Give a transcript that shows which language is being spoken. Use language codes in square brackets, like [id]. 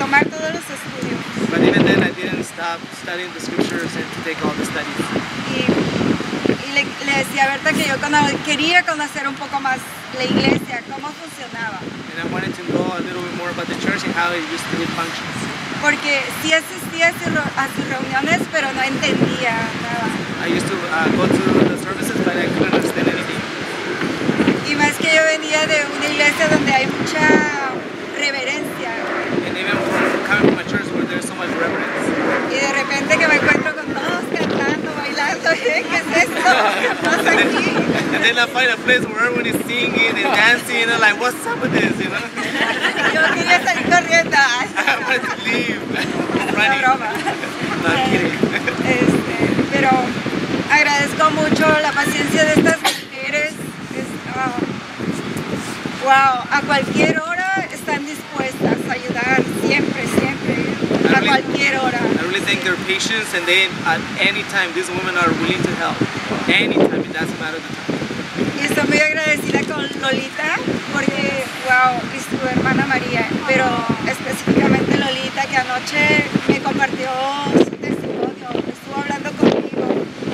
[en] But even then, I didn't stop studying the scriptures and to take all the studies. And I wanted to know a little bit more about the church and how it used to be functions. [es] Porque sí asistía a sus reuniones, pero no entendía nada. [en] I used to go to the services, but I couldn't understand anything. [es] Y más que yo venía de una iglesia donde hay mucha reverencia. [en] And even coming from a church where there's so much reverence. [es] Y de repente que me encuentro con todos cantando, bailando, ¿qué es esto? ¿Qué pasa aquí? [en] And then I find a place where everyone is singing and dancing, and I'm like, what's up with this, you know? [es] Yo quería salir corriendo. [en] I wanted to leave. Running. [es] Una broma. [en] No, I'm kidding. [es] Pero agradezco mucho la paciencia de estas mujeres. Wow, a cualquier hora están dispuestas a ayudar, siempre, siempre, a cualquier hora. [en] I really thank their patience, and they, at any time, these women are willing to help. Anytime, it doesn't matter the time. [es] Y estoy muy agradecida con Lolita, porque, wow, es tu hermana María, pero específicamente Lolita, que anoche me compartió su testimonio, estuvo hablando conmigo.